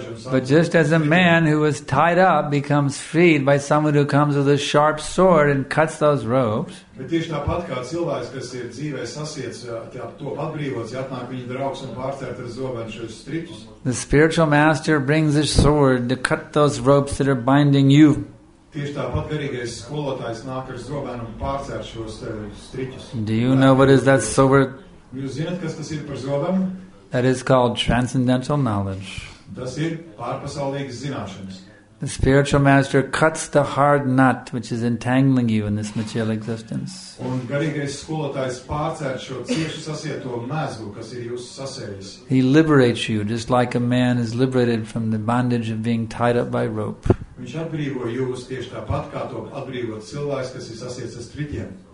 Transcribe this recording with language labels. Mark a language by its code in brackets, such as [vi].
[en] But just as a man who is tied up becomes freed by someone who comes with a sharp sword and cuts those ropes, the spiritual master brings his sword to cut those ropes that are binding you. [lv] Tieši tāpat garīgais skolotājs nāk ar zobenu un pārcērt šos striķus. [en] Do you know what is that sword? [lv] Jūs zināt, kas tas ir par zobenu? [en] That is called transcendental knowledge. [lv] Tas ir pārpasaulīgas zināšanas. [en] The spiritual master cuts the hard nut which is entangling you in this material existence. [lv] Un garīgais skolotājs pārcērt šo cieši sasieto mezgu, kas ir jūsu sasējis. [en] He liberates you just like a man is liberated from the bondage of being tied up by rope. [lv] Viņš atbrīvo jūs tieši tāpat, kā to atbrīvot cilvēks, kas ir sasiets ar striķiem.